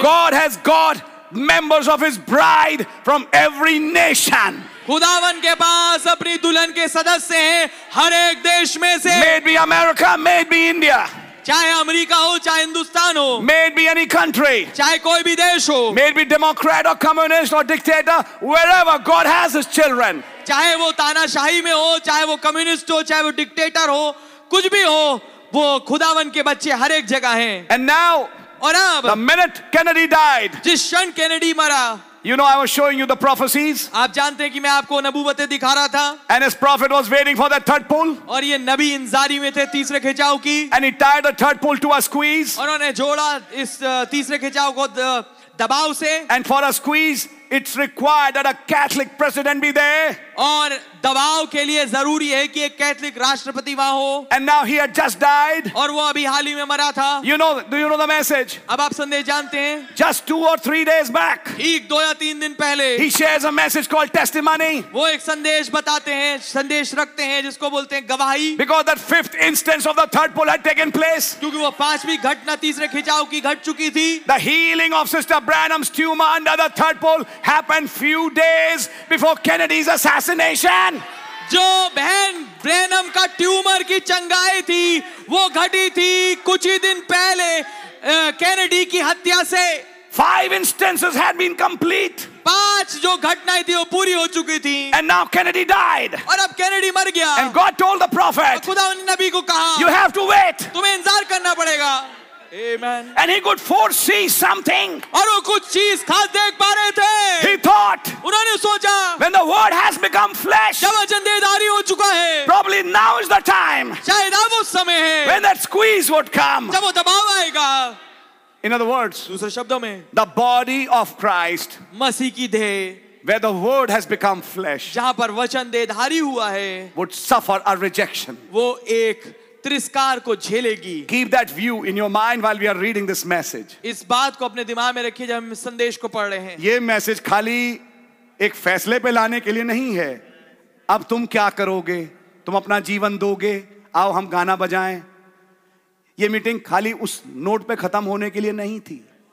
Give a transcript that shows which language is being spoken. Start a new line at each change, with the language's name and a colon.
English: God has got members of His bride from every nation.
Hindi: खुदावन के पास अपनी दुल्हन के सदस्य हैं हर एक देश में से.
English: Maybe America, maybe India.
Hindi: चाहे अमेरिका हो, चाहे हिंदुस्तान हो.
English: May it be any country.
Hindi: चाहे कोई भी देश हो.
English: May it be democrat or communist or dictator. Wherever God has his children.
Hindi: चाहे वो तानाशाही में हो, चाहे वो कम्युनिस्ट हो, चाहे वो डिक्टेटर हो, कुछ भी हो, वो खुदावन के बच्चे हर एक जगह हैं.
English: and now,
Hindi: और अब,
English: the minute Kennedy died,
Hindi: जिस क्षण केनेडी मरा,
English: You know, I was showing you the prophecies.
Hindi: आप जानते हैं कि मैं आपको नबूवतें दिखा रहा था.
English: And his prophet was waiting for that third pull.
Hindi: और ये नबी इंतजारी में थे तीसरे खिंचाव की.
English: And he tied the third pull to a squeeze.
Hindi: और उन्होंने जोड़ा इस तीसरे खिंचाव को दबाव से.
English: And for a squeeze, it's required that a Catholic president be there.
Hindi: और दबाव के लिए जरूरी है कि एक कैथोलिक राष्ट्रपति वहां हो.
English: And now he had just died.
Hindi: और वो अभी हाल ही में मरा था.
English: Do you know the message?
Hindi: अब आप संदेश जानते हैं.
English: Just 2 or 3 days back.
Hindi: एक दो या तीन दिन पहले.
English: He shares a message called testimony.
Hindi: वो एक संदेश बताते हैं, संदेश रखते हैं, जिसको बोलते हैं गवाही.
English: Because that fifth instance of the third pull had taken place.
Hindi: क्योंकि वो पांचवी घटना तीसरे खिंचाव की घट चुकी थी.
English: The healing of Sister Branham's tumor under the third pull happened few days before Kennedy's assassination.
Hindi: जो बहन ब्रैनम का ट्यूमर की चंगाई थी वो घटी थी कुछ ही दिन पहले कैनेडी की हत्या से.
English: 5 instances had been complete.
Hindi: पांच जो घटनाएं थी वो पूरी हो चुकी थी.
English: And now Kennedy died.
Hindi: और अब कैनेडी मर गया.
English: And God told the prophet.
Hindi: खुदा ने नबी को कहा.
English: You have to wait.
Hindi: तुम्हें इंतजार करना पड़ेगा.
English: Amen. And he could foresee something.
Hindi: और वो कुछ चीज खास देख पा रहे थे.
English: He thought.
Hindi: उन्होंने सोचा.
English: When the word has become flesh.
Hindi: जब वचन देहधारी हो चुका है.
English: Probably now is the time.
Hindi: शायद अब वो समय है.
English: When that squeeze would come.
Hindi: जब वो दबाव आएगा.
English: In other words.
Hindi: दूसरे शब्दों में.
English: The body of Christ.
Hindi: मसीह की देह.
English: Where the word has become flesh.
Hindi: जहाँ पर वचन देहधारी हुआ है.
English: Would suffer a rejection.
Hindi: वो एक तिरस्कार को झेलेगी.
English: Keep that view in your mind while we are reading this message.
Hindi: इस बात को अपने दिमाग में रखिए जब हम संदेश को पढ़ रहे हैं. ये मैसेज खाली एक फैसले पे लाने के लिए नहीं है. अब तुम क्या करोगे, तुम अपना जीवन दोगे, आओ हम गाना बजाएं. ये मीटिंग खाली उस नोट पे खत्म होने के लिए नहीं थी.